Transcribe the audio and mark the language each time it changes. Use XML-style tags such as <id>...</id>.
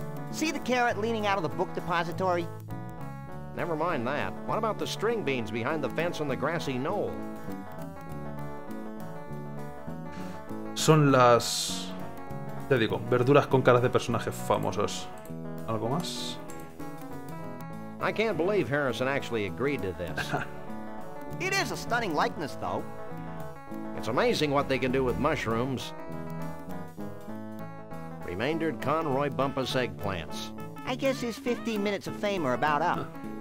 <en>See the carrot leaning out of the book depository? Never mind that. What about the string beans behind the fence on the grassy knoll?</en> <es>Son las, te digo, verduras con caras de personajes famosos. ¿Algo más?</es> <en>I can't believe Harrison actually agreed to this. It is a stunning likeness, though. It's amazing what they can do with mushrooms. Remaindered Conroy Bumpus eggplants. I guess his 15 minutes of fame are about up.</en>